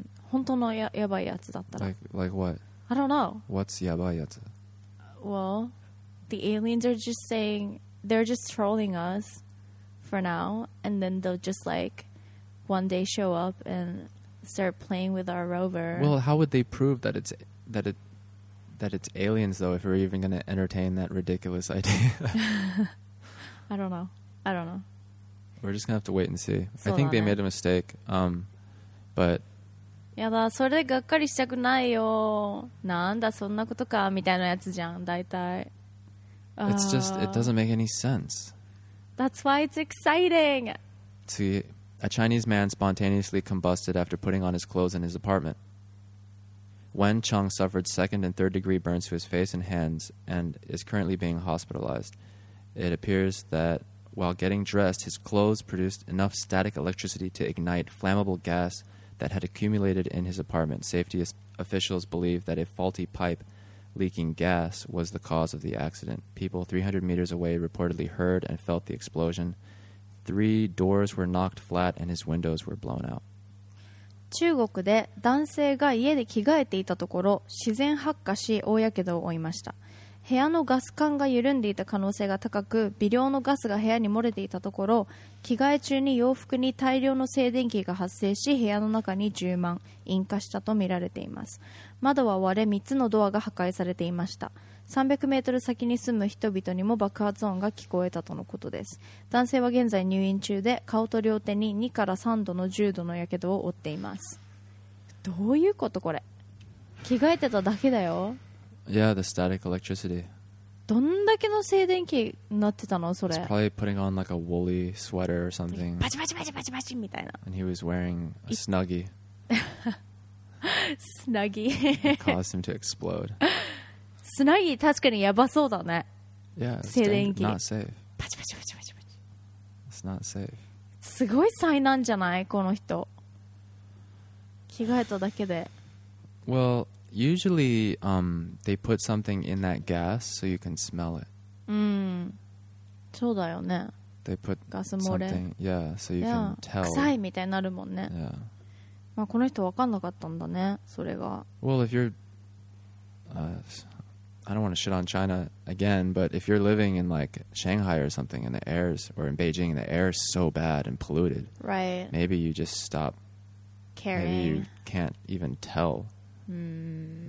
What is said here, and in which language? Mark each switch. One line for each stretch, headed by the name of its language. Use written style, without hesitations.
Japanese: 本当のやばいやつだったら
English: like what? I don't know. What's
Japanese: やばいやつ?
English: Well, the aliens are just saying they're just trolling us for now, and then they'll just like one day show up and start playing with our rover. Well, how would they prove that it's aliens though, if we're even going to entertain that ridiculous idea? I don't know. We're just going to have to wait and see. I think they made a mistake. But
Japanese: やだ、それでがっかりしたくないよ。なんだそんなことかみたいなやつじゃん、大体。
English: It's just, it doesn't make any sense. That's why it's exciting. See, a Chinese man spontaneously combusted after putting on his clothes in his apartment. Wen Cheng suffered second and third degree burns to his face and hands and is currently being hospitalized. It appears that while getting dressed, his clothes produced enough static electricity to ignite flammable gas that had accumulated in his apartment. Safety officials believe that a faulty pipe leaking gas was the cause of the accident. People 300 meters away reportedly heard and felt the explosion. Three doors were knocked flat and his windows were blown out.
Japanese: 中国で男性が家で着替えていたところ、自然発火し大やけどを負いました。部屋のガス管が緩んでいた可能性が高く、微量のガスが部屋に漏れていたところ、着替え中に洋服に大量の静電気が発生し、部屋の中に充満、引火したとみられています。窓は割れ、3つのドアが破壊されていました。300メートル先に住む人々にも爆発音が聞こえたとのことです。男性は現在入院中で、顔と両手に2から3度の重度の火傷を負っています。どういうことこれ？着替えてただけだよ。
English: Yeah, the static electricity.
Japanese: どんだけの静電気になってたのそれ。
English: It's probably putting on like a woolly sweater or something.
Japanese: バチバチバチバチバチみたいな。
English: And he was wearing a snuggie. Snuggie. caused him to explode.
Japanese: スナギ確かにやばそうだね。
English: Yeah,
Japanese: 静電気。
English: Not safe.
Japanese: パチパチパチパチパチ。
English: It's not safe.
Japanese: すごい災難じゃないこの人。着替えただけで。
English: Well,Usually, they put something in that gas so you can smell it.
Japanese: そうだよね。
English: They put something, yeah, so you can tell.
Japanese: 臭いみたいになるもんね。
English: Yeah.
Japanese: まあこの人分かんなかったんだね、それが。
English: Well, if you're, I don't want to shit on China again, but if you're living in like Shanghai or something, and the air is, or in Beijing, and the air is so bad and polluted, right? Maybe you just stop caring. Maybe you can't even tell. Mm.